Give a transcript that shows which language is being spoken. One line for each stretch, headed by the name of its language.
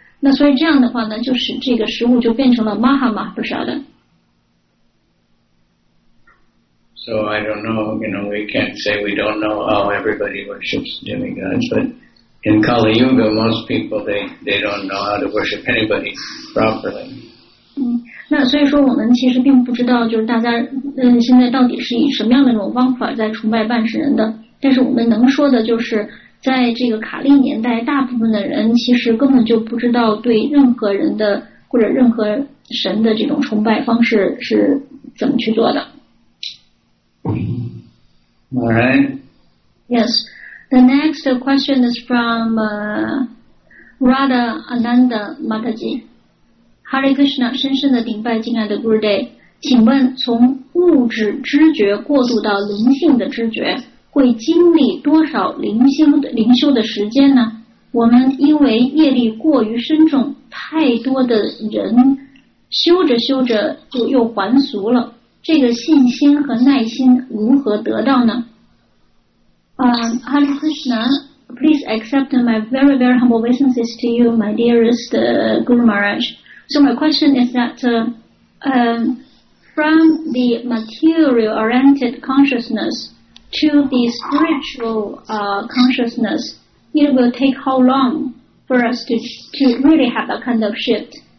Chinese: 那所以这样的话呢，就使这个食物就变成了 Mahamaha Prasadam。
English: So I don't know, we can't say we don't know how everybody worships demigods, but in Kali Yuga, most people they don't know how to worship anybody properly.
Chinese: 那所以说我们其实并不知道，就是大家现在到底是以什么样的那种方法在崇拜半神人的。但是我们能说的就是。在这个卡利年代，大部分的人其实根本就不知道对任何人的或者任何神的这种崇拜方式是怎么去做的。
English: All right. Yes. The next question is from Radha Ananda Mataji.
Chinese: Hare Krishna, 深深的顶拜敬爱的 Gurudev， 请问从物质知觉过渡到灵性的知觉。会经历多少灵修的时间呢？我们因为业力过于深重，太多的人修着修着就又还俗了，这个信心和耐心如何得到呢？
English: Hare Krishna, please accept my very very humble obeisances to you, my dearest Guru Maharaj. So my question is that from the material oriented consciousness to the spiritual consciousness, it will take how long for us to really have that kind of shift?